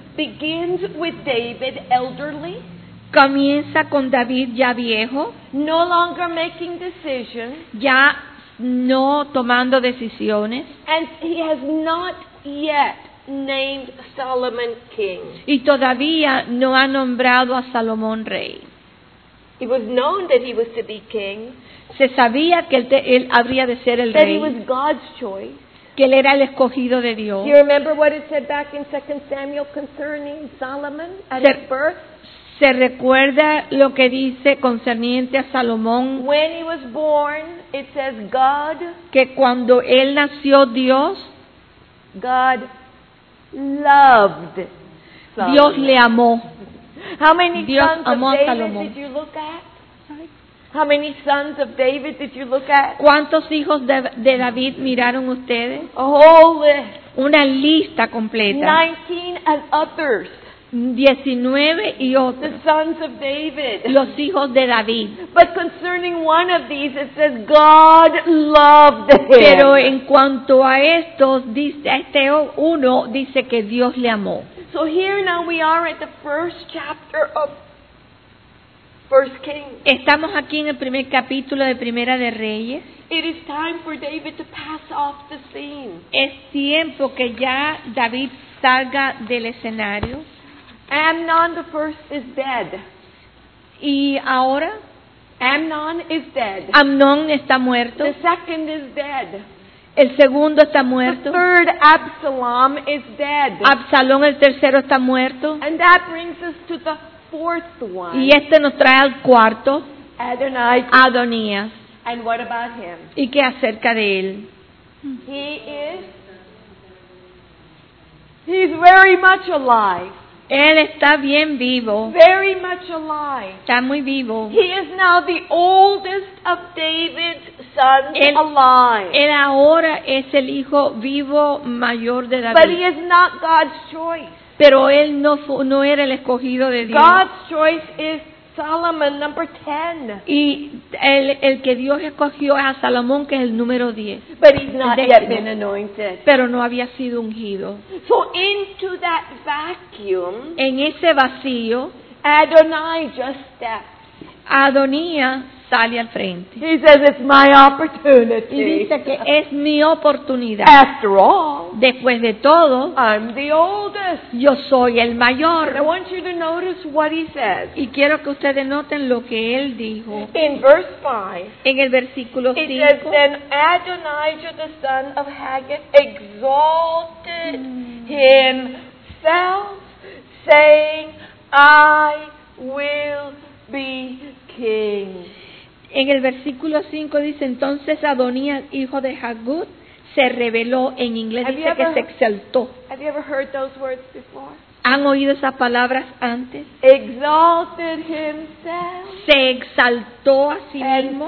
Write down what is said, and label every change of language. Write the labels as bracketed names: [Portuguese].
[English] Begins with David elderly. [Spanish] Comienza con David ya viejo. [English] No longer making decisions. [Spanish] Ya no tomando decisiones. [English] And he has not yet named Solomon king. [Spanish] Y todavía no ha nombrado a Salomón rey. [English] It was known that he was to be king. [Spanish] Se sabía que él habría de ser el [English] that [Spanish] rey. [English] That he was God's choice. [Spanish] Que él era el escogido de Dios. [English] You remember what it said back in 2 Samuel concerning Solomon at his birth? [Spanish] ¿Se recuerda lo que dice concerniente a Salomón? [English] When he was born, it says God, [Spanish] que cuando él nació Dios, [English] God loved Solomon. [Spanish] Dios le amó. [English] How many [Spanish] Dios [English] sons [Spanish] amó [English] of David [Spanish] a Salomón. [English] Did you look at? How many sons of David did you look at? [Spanish] ¿Cuántos hijos de David miraron ustedes? [English] A whole list. [Spanish] Una lista completa. [English] 19 and others. [Spanish] 19 y otros. [English] The sons of David. [Spanish] Los hijos de David. [English] But concerning one of these, it says God loved him. [Spanish] Pero en cuanto a estos, dice este uno dice que Dios le amó. [English] So here now we are at the first chapter of First Kings. [Spanish] Estamos aquí en el primer capítulo de Primera de Reyes. [English] It is time for David to pass off the scene. [Spanish] Es tiempo que ya David salga del escenario. [English] Amnon the first is dead. [Spanish] ¿Y ahora? [English] Amnon is dead. [Spanish] Amnon está muerto. [English] The second is dead. [Spanish] El segundo está muerto. [English] The third, Absalom, is dead. [Spanish] Absalón, el tercero, está muerto. [English] And that brings us to the fourth one. [Spanish] Y este nos trae al cuarto. [English] Adonai. [Spanish] Adonías. [English] And what about him? [Spanish] ¿Y qué acerca de él? [English] He is. He's very much alive. [Spanish] Él está bien vivo. [English] Very much alive. [Spanish] Está muy vivo. [English] He is now the oldest of David's sons alive. [Spanish] Él ahora es el hijo vivo mayor de David. [English] But he is not God's choice. [Spanish] Pero él no era el escogido de Dios. [English] God's choice is Solomon, number 10. [Spanish] Y el que Dios escogió es a Salomón, que es el número 10. [English] But he's not yet been anointed. [Spanish] Pero no había sido ungido. [English] So into that vacuum, [Spanish] en ese vacío, [English] Adonai just steps. [Spanish] Adonía sale al frente. [English] He says, it's my opportunity. [Spanish] Y dice que es mi oportunidad. [English] After all, [Spanish] después de todo, [English] I'm the oldest. [Spanish] Yo soy el mayor. [English] I want you to notice what he says. [Spanish] Y quiero que ustedes noten lo que él dijo. [English] In verse 5, [Spanish] en el versículo 5, [English] it says, then Adonijah the son of Haggith exalted himself, saying, I will be king. [Spanish] En el versículo 5 dice, entonces Adonías, hijo de Haggith, se rebeló. En inglés dice que se exaltó. [English] Have you ever heard those words before? [Spanish] ¿Han oído esas palabras antes? [English] Exalted himself. [Spanish] Se exaltó a sí mismo.